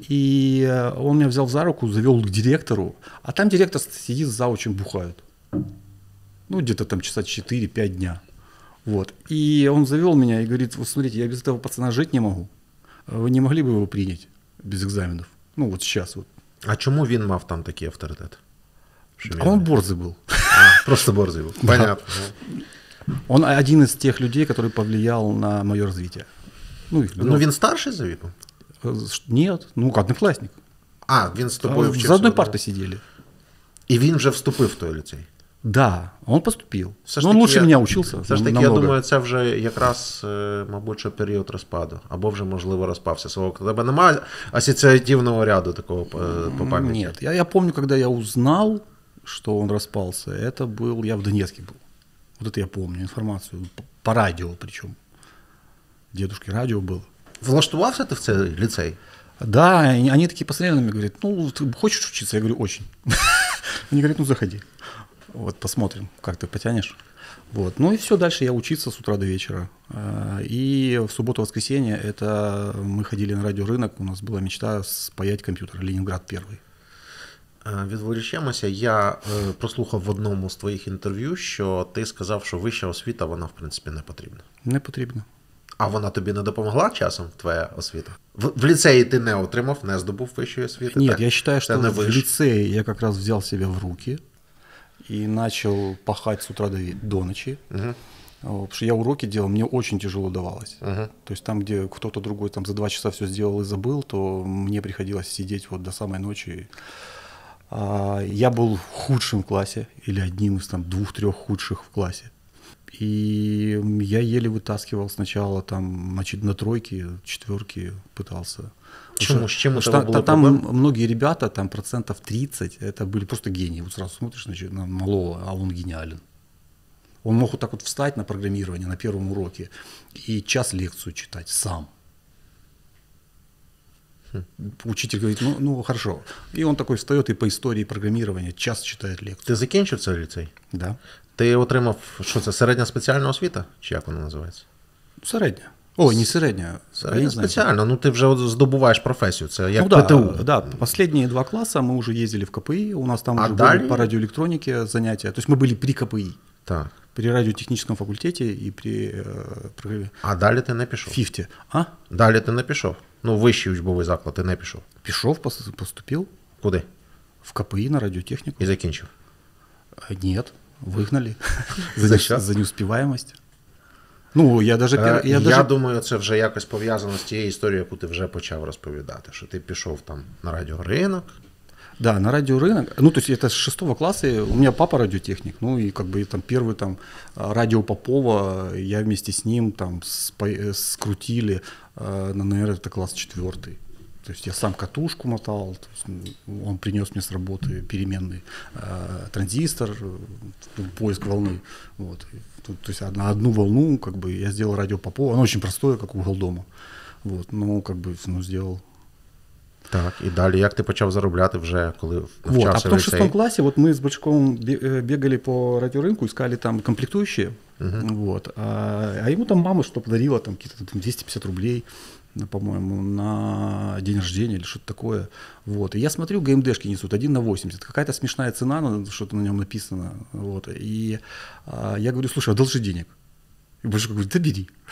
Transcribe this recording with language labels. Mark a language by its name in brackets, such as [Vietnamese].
[Russian] И он меня взял за руку, завел к директору. А там директор сидит, заучим бухают. Ну, где-то там часа 4-5 дня. Вот. И он завел меня и говорит, вот смотрите, я без этого пацана жить не могу. Вы не могли бы его принять без экзаменов? Ну, вот сейчас вот. [Ukrainian] А чему він мав там такий авторитет? [Russian] А он борзый был. А, просто борзый был. Понятно. Да. Он один из тех людей, который повлиял на мое развитие. [Ukrainian] Ну, но він старший за виду? [Russian] Нет, ну, одноклассник. [Ukrainian] А, він з тобою вчився? [Russian] За одной партой [Ukrainian] сиділи. И він вже вступив в той ліцей? [Russian] Да, он поступил. Все но он лучше меня учился. [Ukrainian] Все ж таки, намного. Я думаю, це вже якраз, мабуть, період розпаду. Або вже, можливо, розпався. Свого. У тебе немає асоціативного ряду такого по пам'яті? Ні. Я пам'ятаю, коли я узнав, що він розпався, це був, я в Донецьку був. [Russian] Вот это [Ukrainian] я пам'ятаю інформацію. По радіо причому. Дедушки радіо було. Влаштувався ти в цей ліцей? Да, вони такі посмотрели на мене, говорять, ну, ти хочеш вчитися? [Russian] Я говорю, очень. [Ukrainian] Вони говорять, ну, заходи. [Russian] Вот посмотрим, как ты потянешь. Вот. Ну и все, дальше я учился с утра до вечера. И в субботу-воскресенье это мы ходили на радиорынок, у нас была мечта спаять компьютер «Ленинград первый». [Ukrainian] Відволічемося, я прослухав в одному з твоїх інтерв'ю, що ти сказав, що вища освіта, вона в принципі не потрібна. Не потрібна. А вона тобі не допомогла часом, твоя освіта? В ліцеї ти не отримав, не здобув вищої освіти? Ні, я вважаю, що в ліцеї я якраз взяв себе в руки. [Russian] И начал пахать с утра до ночи, uh-huh. потому что я уроки делал, мне очень тяжело давалось. Uh-huh. То есть там, где кто-то другой там за два часа все сделал и забыл, то мне приходилось сидеть вот до самой ночи. Я был худшим в классе или одним из там двух-трех худших в классе. И я еле вытаскивал сначала там, значит, на тройки, четверки пытался. Почему? С чем это было? Там многие ребята, там процентов 30, это были просто гении. Вот сразу смотришь, значит, на малого, а он гениален. Он мог вот так вот встать на программирование на первом уроке и час лекцию читать сам. Учитель говорит, ну хорошо. И он такой встает и по истории программирования час читает лекцию. [Ukrainian] Ты закінчив цей ліцей? [Russian] Да. [Ukrainian] Ти отримав, що це, середня спеціальна освіта? Чи як вона називається? Середня. Ой, не середня. Середня спеціальна. Ну ти вже здобуваєш професію. Це як ПТУ. Ну, да, останні два класи ми вже їздили в КПІ. У нас там вже були по радіоелектроніці заняття. Тобто ми були при КПІ. Так. При радіотехнічному факультеті і при... А далі ти не пішов? Фіфті. А? Далі ти не пішов? Ну, вищий учбовий заклад, ти не пішов? Пішов, поступив. Куди? В КПІ на радіотехніку. І закінчив? Ні, вигнали. За що? За неуспіваємость. Ну, я навіть... Я думаю, це вже якось пов'язано з тією історією, яку ти вже почав розповідати. Що ти пішов там на радіоринок... [Russian] Да, на радиоринок. Ну, то есть это с шестого класса. У меня папа радиотехник. Ну, и как бы там первый там радио Попова, я вместе с ним там скрутили. Наверное, это класс четвертый. То есть я сам катушку мотал. То есть он принес мне с работы переменный транзистор, поиск волны. Вот. То есть на одну волну как бы я сделал радио Попова. Оно очень простое, как угол дома. Вот. Ну, как бы, ну, сделал. [Ukrainian] Так, і далі, як ти почав заробляти вже, коли навчався [Russian] вот, [Ukrainian] в ліцеї? А потім в шостому класі, от ми з батьком бігали по радіоринку, іскали там комплектуючі, uh-huh. Вот, а йому там мама що подарила, там, [Russian] какие-то, там 250 рублей, [Ukrainian] по-моєму, [Russian] на день рождения, или что-то такое. [Ukrainian] Вот, і я смотрю, ГМДшки несуть, 1 на 80, [Russian] какая-то смешная цена, что-то [Ukrainian] на ньому написано. [Russian] Вот, і я говорю, слушай, одолжи денег. И батюшка говорит, да бери.